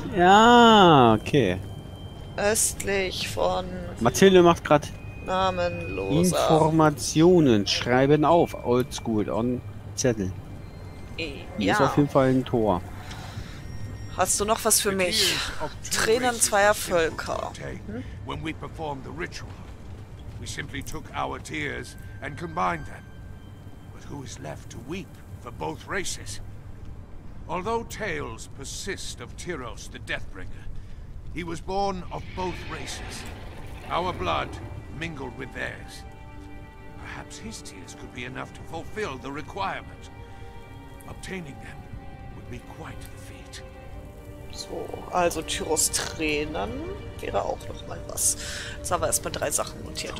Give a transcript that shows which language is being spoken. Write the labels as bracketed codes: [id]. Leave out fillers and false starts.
[de] Ja, okay. Östlich von... Mathilde macht gerade... Namenloser. Informationen schreiben auf, oldschool, on Zettel. Ja. Ist auf jeden Fall ein Tor. Hast du noch was für mich? Tränen zweier Völker. [en] When we performed the ritual, we simply took our tears and combined them. Who is left to weep for both races? Although tales persist of Tyros the Deathbringer, He was born of both races. Our blood mingled with theirs. Perhaps his tears could be enough to fulfill the requirement. Obtaining them would be quite the feat. [de] So, also Tyros Tränen wäre auch noch mal was. Jetzt haben wir erstmal drei Sachen notiert.